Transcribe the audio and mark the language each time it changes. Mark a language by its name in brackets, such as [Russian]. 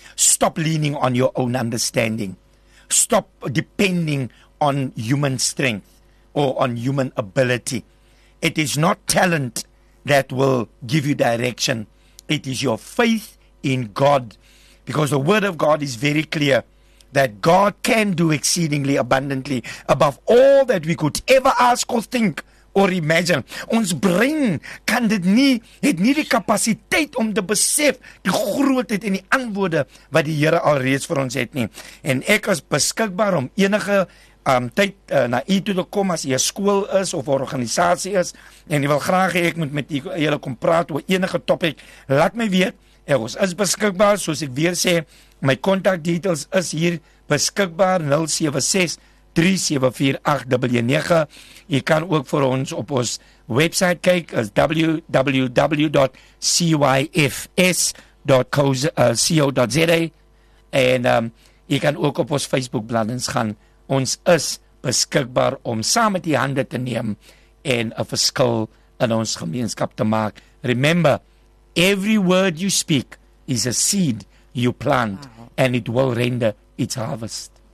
[English] Stop leaning on your own understanding. Stop depending on human strength or on human ability. It is not talent that will give you direction. It is your faith in God. Because the word of God is very clear that God can do exceedingly abundantly above all that we could ever ask or think. Or imagine, [Afrikaans] ons brein kan dit nie, het nie die kapasiteit om te besef die grootheid en die antwoorde wat die Here alreeds vir ons het nie. En ek is beskikbaar om enige tyd na u toe te kom as u 'n skool is of 'n organisasie is. En ek wil graag hê ek moet met julle kom praat oor enige topic. Laat my weet, ons is beskikbaar, soos ek weer sê, my contact details is hier beskikbaar, 076 374899. Jy kan ook vir ons op ons website kyk, is www.cyfs.co.za, en jy kan ook op ons Facebook bladsy gaan. Ons is beskikbaar om saam met die hande te neem en 'n verskil in ons gemeenskap te maak. [English] Remember, every word you speak is a seed you plant, and it will render its harvest.